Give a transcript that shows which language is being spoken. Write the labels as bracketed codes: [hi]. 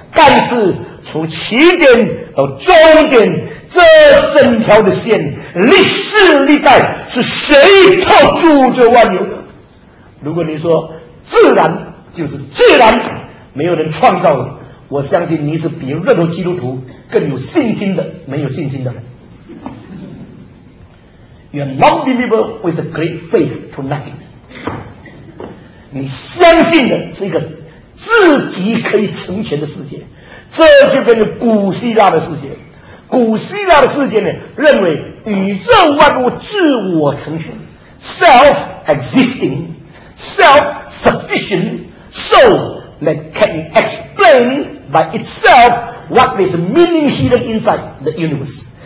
[zh] 但是从起点到终点这整条的线，历史历代是谁靠住这万有的？如果你说自然就是自然，没有人创造的，我相信你是比任何基督徒更有信心的没有信心的人。 [en] You are non-believer with a great faith to nothing。 [zh] 你相信的是一个自己可以成全的世界，这就跟古希腊的世界。古希腊的世界呢，认为宇宙万物自我成全 ， [en] self existing, self sufficient, so that can explain by itself what is meaning hidden inside the universe。